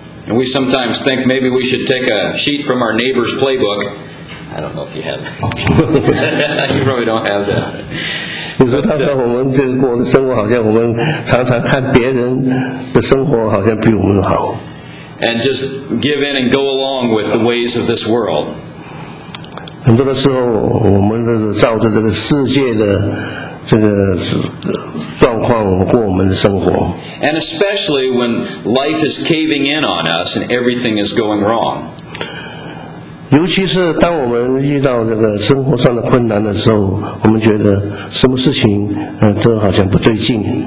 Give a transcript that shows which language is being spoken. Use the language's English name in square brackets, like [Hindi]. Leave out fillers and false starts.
[English] And we sometimes think maybe we should take a sheet from our neighbor's playbook. I don't know if you have that. You probably don't have that. [Chinese] 有时候他说我们这个过的生活好像我们常常看别人的生活好像比我们好。 [English] And just give in and go along with the ways of this world. [Chinese] 很多的时候我们照着这个世界的这个状况过我们的生活。 [English] And especially when life is caving in on us and everything is going wrong. [Chinese] 尤其是当我们遇到这个生活上的困难的时候，我们觉得什么事情都好像不对劲。